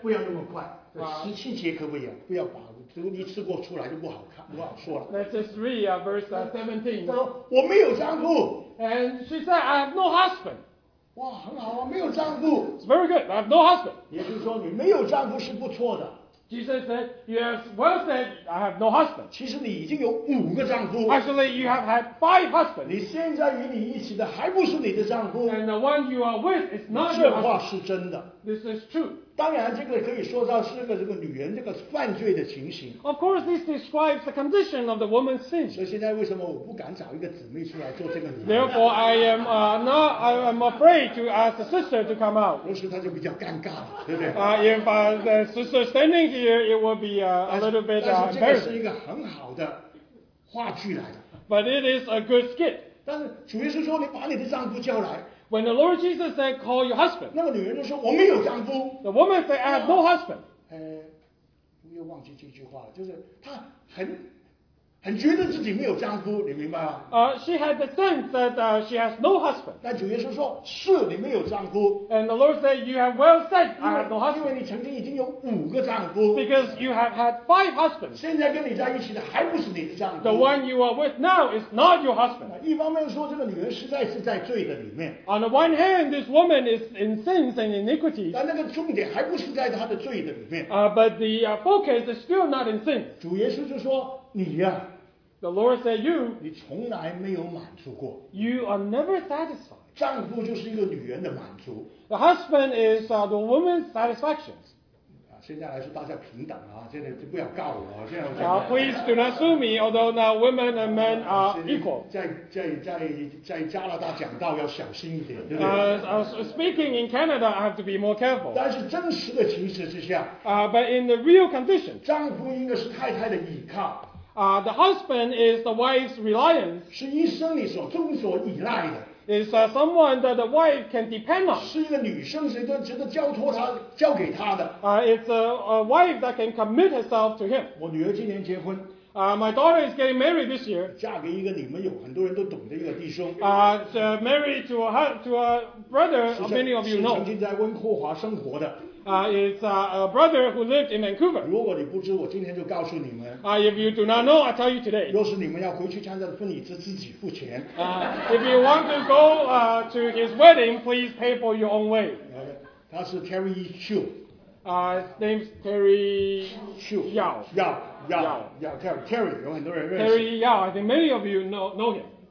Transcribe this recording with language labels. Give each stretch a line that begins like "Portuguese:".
Chinese: 不要那么快。十七节可不可以啊？不要把一次过出来就不好看，不好说了。
English: Let's just read verse 17.
Chinese: 她说我没有丈夫。
English: And she said, I have no husband.
Chinese: 哇，很好啊，没有丈夫。
English: It's very good, I have no husband.
Chinese: 耶稣说你没有丈夫是不错的。
English: Jesus said, you have well said, I have no husband.
Chinese: 其实你已经有五个丈夫。
English: Actually, you have had five husbands.
Chinese: 你现在与你一起的还不是你的丈夫。
English: And the one you are with is not your husband.
Chinese: 这话是真的。
English: This is true.
Chinese: 当然这个可以说到是这个女人这个犯罪的情形。
English: Of course, this describes the condition of the woman's sin.
Chinese: 所以现在为什么我不敢找一个姊妹出来做这个女人。
English: Therefore, I am afraid to ask the sister to come out.
Chinese: 若是她就比较尴尬了，对不对？
English: If the sister standing here, it will be a little bit embarrassing.
Chinese: 但是这个是一个很好的话剧来的。
English: But it is a good skit.
Chinese: 但是主耶稣说你把你的丈夫叫来。
English: When the Lord Jesus said, call your husband.
Chinese: 那个女人就说我没有丈夫。
English: The woman said, I have no husband.
Chinese: 我又忘记这句话了，就是她很觉得自己没有丈夫，你明白吗？
English: She had the sense that she has no husband.
Chinese: 但主耶稣说是你没有丈夫。
English: And the Lord said, you have well said, I have no husband.
Chinese: 因为你曾经已经有五个丈夫。
English: Because you have had five husbands.
Chinese: 现在跟你在一起的还不是你的丈夫。
English: The one you are with now is not your husband.
Chinese: 一方面说这个女人实在是在罪的里面。
English: On the one hand, this woman is in sins and iniquities.
Chinese: 但那个重点还不是在她的罪的里面。
English: But the focus is still not in sins.
Chinese: 主耶稣就说你呀、啊。
English: The Lord said, "You,
Chinese: 你从来没有满足过。
English: You are never satisfied.
Chinese: 丈夫就是一个女人的满足。
English: The husband is the woman's satisfaction.
Chinese: 现在来说大家平等啊，现在就不要告我，现在
English: please do not sue me. Although now women and men are equal.
Chinese: 在加拿大讲道要小心一点，对不对？
English: Speaking in Canada, I have to be more careful.
Chinese: 但是真实的情势之下，
English: But in the real condition,
Chinese: 丈夫应该是太太的依靠。
English: The husband is the wife's reliance.
Chinese: 是一生你所终所依赖的。
English: Is someone that the wife can depend on.
Chinese: 是一个女生谁都值得交托她交给她的。
English: It's a wife that can commit herself to him.
Chinese: 我女儿今年结婚。
English: My daughter is getting married this year.
Chinese: 嫁给一个你们有很多人都懂的一个弟兄。
English: Married to a brother many of you know.
Chinese: 是曾经在温哥华生活的。
English: It's a brother who lived in Vancouver.
Chinese: 如果你不知，我今天就告诉你们。
English: If you do not know, I tell you today.
Chinese: 若是你们要回去参加的婚礼，是自己付钱。
English: If you want to go to his wedding, please pay for your own way.
Chinese: 他是 Terry Chu.
English: His name's Terry Chu. Yao, Terry. There are many people. Terry Yao, I think many of you know him.